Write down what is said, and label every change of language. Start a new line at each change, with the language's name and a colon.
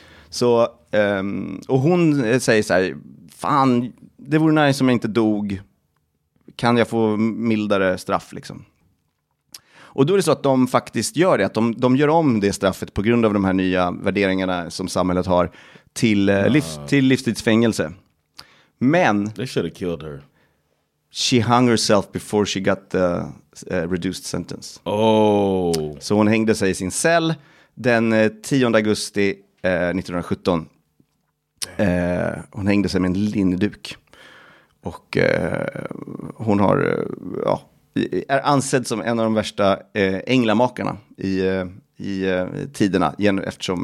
Swedish: Så, och hon säger så här, fan, det vore nice som jag inte dog. Kan jag få mildare straff liksom? Och då är det så att de faktiskt gör det. Att de gör om det straffet på grund av de här nya värderingarna som samhället har till, till livstidsfängelse. Men
English: they should have killed her. She hung herself before she got the reduced sentence. Oh.
Swedish: Så hon hängde sig i sin cell den 10 augusti 1917. Hon hängde sig med en linneduk. Och hon har är ansedd som en av de värsta änglamakarna i tiderna, eftersom